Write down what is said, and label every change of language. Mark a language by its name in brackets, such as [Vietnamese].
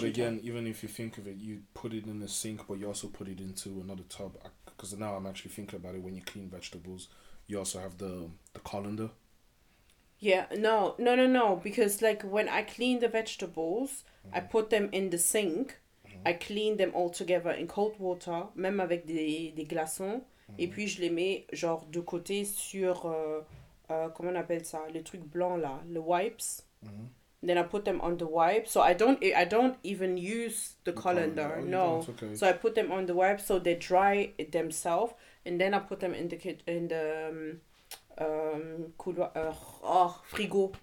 [English] But again, even if you think of it, you put it in the sink, but you also put it into another tub. Because now I'm actually thinking about it. When you clean vegetables, you also have the colander. Yeah, no. Because like when I clean the vegetables, I put them in the sink. Mm-hmm. I clean them all together in cold water, [French] même avec des glaçons. Mm-hmm. Et puis je les mets genre de côté sur... comment on appelle ça, le truc blanc là, [English] the wipes. Mm-hmm. Then I put them on the wipe, so I don't even use the colander. No, it's okay. So I put them on the wipe so they dry it themselves, and then I put them in the kit in the [French] couloir, frigo.